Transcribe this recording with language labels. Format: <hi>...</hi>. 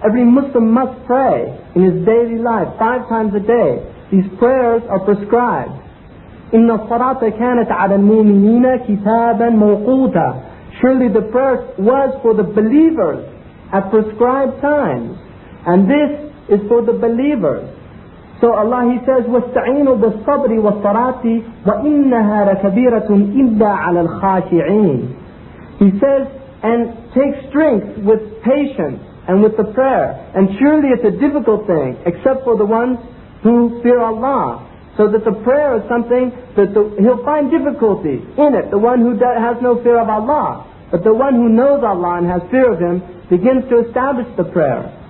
<en>Every Muslim must pray in his daily life, 5 times a day. These prayers are prescribed.</en> <ar>إِنَّ الصَّلَاةَ كَانَتْ عَلَى الْمُؤْمِنِينَ كِتَابًا مَوْقُوتًا.</ar> <en>Surely the prayer was for the believers at prescribed times. And this is for the believers. So Allah, He says,</en> <ar>وَاسْتَعِينُوا بِالصَّبْرِ وَالصَّلَاةِ وَإِنَّهَا لَكَبِيرَةٌ إِلَّا عَلَى الْخَاشِعِينَ.</ar> <en>He says, and take strength with patience and with the prayer. And surely it's a difficult thing, except for the ones who fear Allah. So that the prayer is something that he'll find difficulty in it. The one who has no fear of Allah. But the one who knows Allah and has fear of Him begins to establish the prayer.</en>